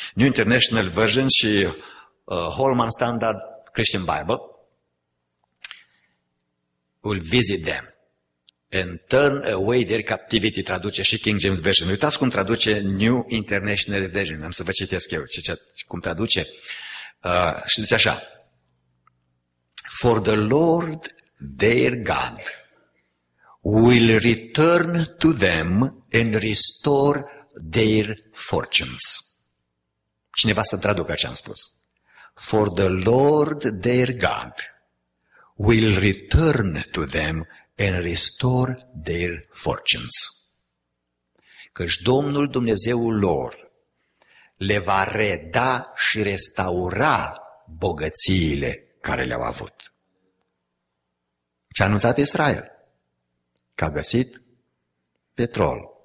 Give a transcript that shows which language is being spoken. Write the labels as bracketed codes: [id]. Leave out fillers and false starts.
[en] New International Version și Holman Standard Christian Bible will visit them and turn away their captivity, [ro] traduce și [en] King James Version. [ro] Uitați cum traduce New International Version, am să vă citesc eu cum traduce. Și zice așa, [en] for the Lord their God will return to them and restore their fortunes. [ro] Cineva să traducă ce am spus. [en] For the Lord their God will return to them and restore their fortunes. [ro] Căci Domnul Dumnezeul lor le va reda și restaura bogățiile care le-au avut. Ce a anunțat Israel? Că a găsit petrol.